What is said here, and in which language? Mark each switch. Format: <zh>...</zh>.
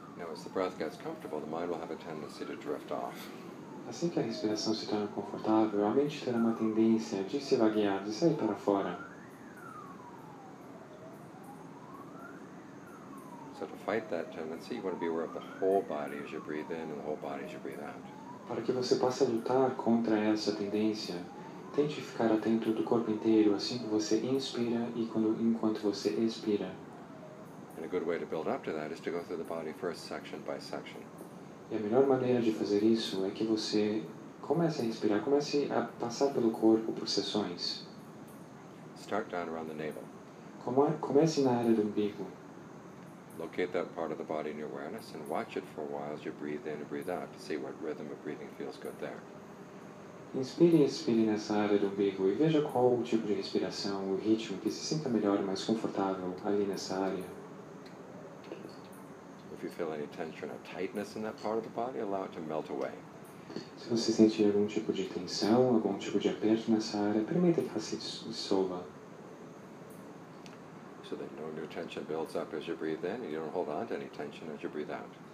<en>As the breath gets comfortable, the mind will have a tendency to drift off.</en> <pt>Assim que a respiração se torna confortável, a mente terá uma tendência de se vaguear, de sair para fora.</pt> <en>So to fight that tendency, you want to be aware of the whole body as you breathe in and the whole body as you breathe out.</en> <pt>Para que você possa lutar contra essa tendência, tente ficar atento do corpo inteiro, assim que você inspira e enquanto você expira.</pt> <en>And a good way to build up to that is to go through the body first, section by section.</en> <pt>E a melhor maneira de fazer isso é que você comece a respirar, comece a passar pelo corpo por sessões.</pt> <en>Start down around the navel.</en> <pt>Comece na área do umbigo.</pt> <en>Locate that part of the body in your awareness and watch it for a while as you breathe in and breathe out to see what rhythm of breathing feels good there.</en> <pt>Inspire e expire nessa área do umbigo e veja qual o tipo de respiração, o ritmo que se sinta melhor, mais confortável ali nessa área.</pt> <en>If you feel any tension or tightness in that part of the body, allow it to melt away.</en> <pt>Se você sentir algum tipo de tensão, algum tipo de aperto nessa área, permita que ela se dissolva.</pt> <en>So that no new tension builds up as you breathe in, and you don't hold on to any tension as you breathe out.</en>